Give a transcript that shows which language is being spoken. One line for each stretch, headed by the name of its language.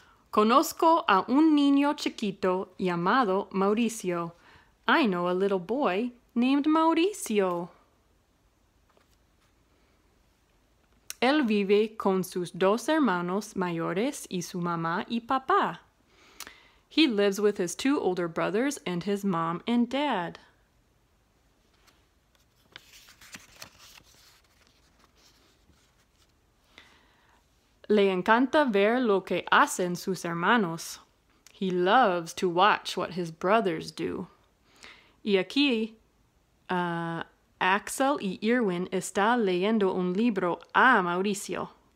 Spanish: Conozco a un niño chiquito llamado Mauricio.
English: I know a little boy named Mauricio.
Spanish: Él vive con sus dos hermanos mayores y su mamá y papá.
English: He lives with his two older brothers and his mom and dad.
Spanish: Le encanta ver lo que hacen sus hermanos.
English: He loves to watch what his brothers do.
Spanish: Y aquí, Axel y Irwin está leyendo un libro a Mauricio.